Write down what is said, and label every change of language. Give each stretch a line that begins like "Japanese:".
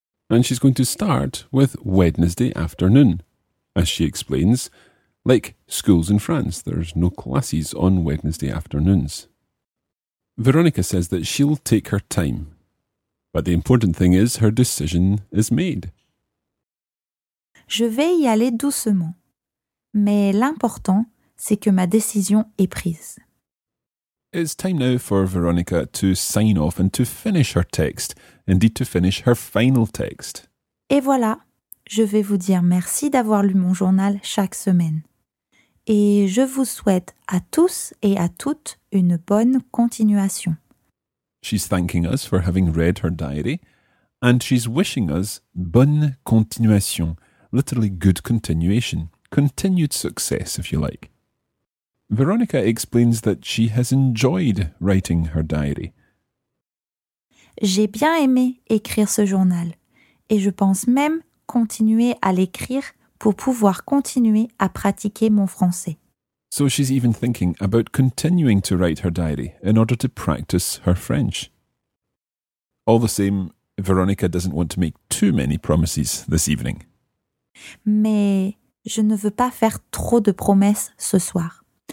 English: And she's going to start with Wednesday afternoon. As she explains, like schools in France, there's no classes on Wednesday afternoons. Veronica says that she'll take her time. But the important thing is her decision is made.
French: Je vais y aller doucement. Mais l'important, c'est que ma décision est prise.
English: It's time now for Veronica to sign off and to finish her text, indeed to finish her final text.
French: Et voilà, je vais vous dire merci d'avoir lu mon journal chaque semaine. Et je vous souhaite à tous et à toutes une bonne continuation.
English: She's thanking us for having read her diary, and she's wishing us bonne continuation, literally good continuation, continued success, if you like. Veronica explains that she has enjoyed writing her diary.
French: J'ai bien aimé écrire ce journal, et je pense même continuer à l'écrire pour pouvoir continuer à pratiquer mon français.
English: So she's even thinking about continuing to write her diary in order to practice her French. All the same, Veronica doesn't want to make too many promises this evening.
French: Mais je ne veux pas faire trop de promesses ce soir.